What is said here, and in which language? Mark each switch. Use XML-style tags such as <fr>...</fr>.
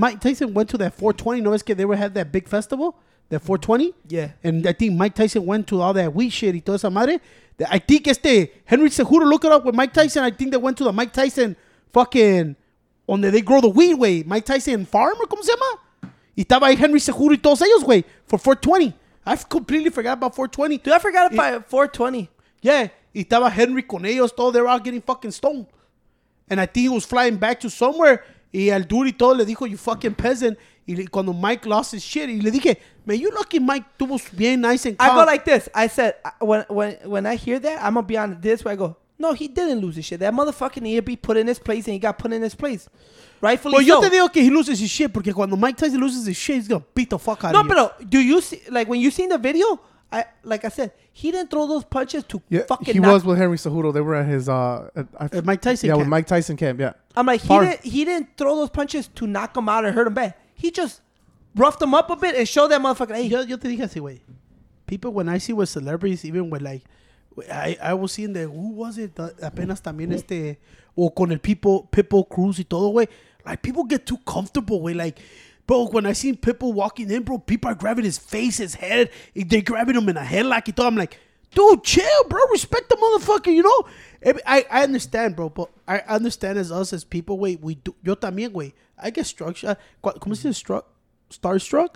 <en>Yeah, Mike Tyson went to that 420. No, it's they were had that big festival, that 420. Yeah. And I think Mike Tyson went to all that weed shit</en> <es>y toda esa madre.</es> <en>I think Henry Cejudo, look it up with Mike Tyson. I think they went to the Mike Tyson fucking, on the, they grow the weed, way. Mike Tyson farm or</en> <es>como se llama? Y estaba ahí Henry Cejudo y todos ellos, güey,</es> <en>for 420. I've completely forgot about 420. Dude, I forgot about 420. Yeah. Y estaba Henry con ellos, todo, they were all getting fucking stoned. And I think he was flying back to somewhere.</en> <es>Y al</es> <en>dude</en> <es>y todo le dijo,</es> <en>you fucking peasant.</en> <es>Y cuando</es> <en>Mike lost his shit,</en> <es>y le dije,</es> <en>man, you lucky Mike</en> <es>tuvo bien</es> <en>nice and calm. I go like this. I said, when I hear that, I'm going to be on this way. I go, no, he didn't lose his shit. That motherfucking ear be put in his place and he got put in his place. Rightfully well, so. Well,</en> <es>yo te digo que</es> <en>he loses his shit</en> <es>porque cuando</es> <en>Mike Tyson loses his shit, he's going to beat the fuck out of you.</en> <es>No, pero</es> <en>do you see, like, when you seen the video, Like I said, he didn't throw those punches to fucking He was with Henry Cejudo. They were at his... At Mike Tyson camp. Yeah, with Mike Tyson camp, yeah. I'm like, he didn't throw those punches to knock him out and hurt him back. He just roughed him up a bit and showed that motherfucker, hey.</en> <es>Yo te dije así, güey.</es> <en>People, when I see with celebrities, even with like... I was seeing that, who was it?</en> <es>Apenas también este... O con el Pitbull Cruz y todo, güey.</es> <en>Like, people get too comfortable, güey. Like... Bro, when I seen people walking in, bro, people are grabbing his face, his head. They grabbing him in a headlock. I'm like, dude, chill, bro. Respect the motherfucker, you know? I understand, bro. But I understand as us, as people, wait, we do.</en> <es>Yo también, güey.</es> <en>I get struck.</en> <es>¿Cómo se dice? Starstruck?</es>